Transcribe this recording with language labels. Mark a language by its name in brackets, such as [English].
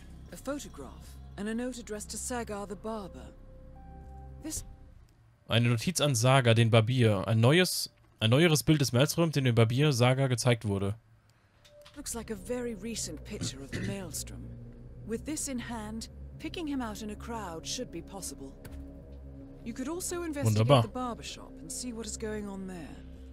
[English] A photograph and a note addressed to Sagar the Barber. [German] This... Eine Notiz an Sagar, den Barbier. Ein neueres Bild des Maelstroms, den dem Barbier Sagar gezeigt wurde. [English] Looks like a very recent picture of the Maelstrom. With this in hand, picking him out in a crowd should be possible. You could also investigate the barbershop and see what is going on there.